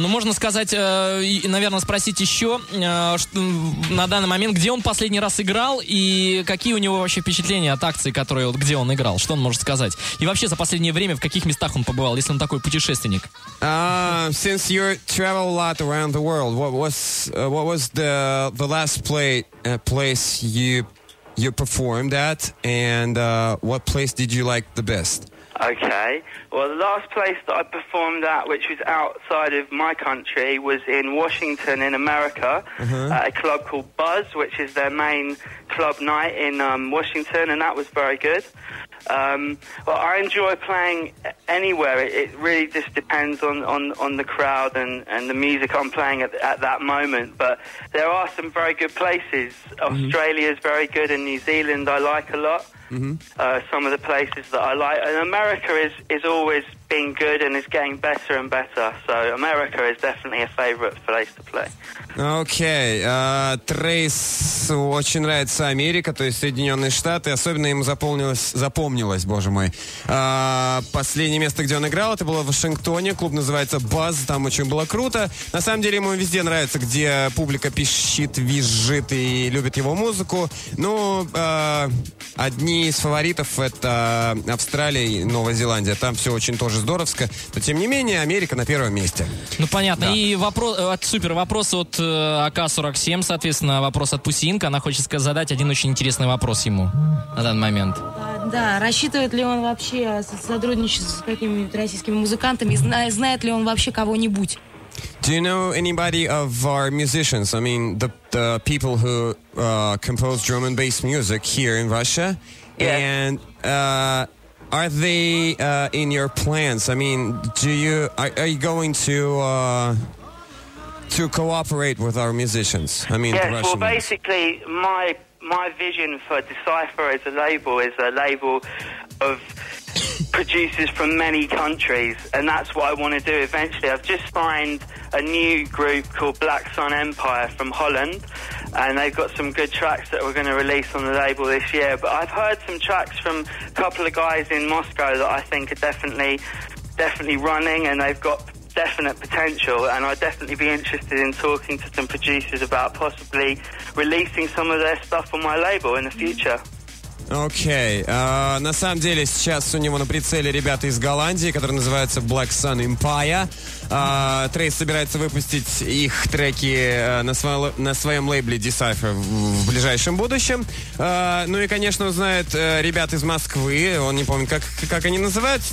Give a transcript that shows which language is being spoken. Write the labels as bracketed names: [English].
[Russian] Ну, можно сказать, наверное, спросить еще, что, на данный момент, где он последний раз играл, и какие у него вообще впечатления от акции, которые, вот, где он играл, что он может сказать? И вообще, за последнее время, в каких местах он побывал, если он такой путешественник? [English] Since you travel a lot around the world, what was the last place you performed at, and what place did you like the best? Okay. Well, the last place that I performed at, which was outside of my country, was in Washington in America, uh-huh. at a club called Buzz, which is their main club night in Washington, and that was very good. Well, I enjoy playing anywhere. It really just depends on the crowd and the music I'm playing at that moment. But there are some very good places. Mm-hmm. Australia is very good, and New Zealand I like a lot. Mm-hmm. Some of the places that I like. And America is always being good and is getting better and better. So America is definitely a favorite place to play. [Russian] Окей. Трейс очень нравится Америка, то есть Соединенные Штаты. Особенно ему запомнилось, боже мой. Последнее место, где он играл, это было в Вашингтоне. Клуб называется «Buzz». Там очень было круто. На самом деле ему везде нравится, где публика пищит, визжит и любит его музыку. Ну, одни из фаворитов — это Австралия и Новая Зеландия. Там все очень тоже здоровско. Но, тем не менее, Америка на первом месте. Ну, понятно. Да. И вопрос, супер, вопрос от АК-47, соответственно, вопрос от Пусинка. Она хочет задать один очень интересный вопрос ему на данный момент. Да, рассчитывает ли он вообще сотрудничать с какими-нибудь российскими музыкантами? Знает ли он вообще кого-нибудь? [English] Do you know anybody of our musicians? I mean, the people who compose drum and bass music here in Russia? Yeah. And are they in your plans? I mean, are you going to cooperate with our musicians? I mean, yes, the Russian. Yes, well, basically, my vision for Decipher as a label is a label of producers from many countries, and that's what I want to do eventually. I've just signed a new group called Black Sun Empire from Holland, and they've got some good tracks that we're going to release on the label this year. But I've heard some tracks from a couple of guys in Moscow that I think are definitely running, and they've got definite potential, and I'd definitely be interested in talking to some producers about possibly releasing some of their stuff on my label in the future. [Russian] Окей. На самом деле сейчас у него на прицеле ребята из Голландии, которые называются Black Sun Empire. Трейс собирается выпустить их треки на своем лейбле Decipher в ближайшем будущем. Ну и, конечно, узнает ребят из Москвы. Он не помнит, как они называются.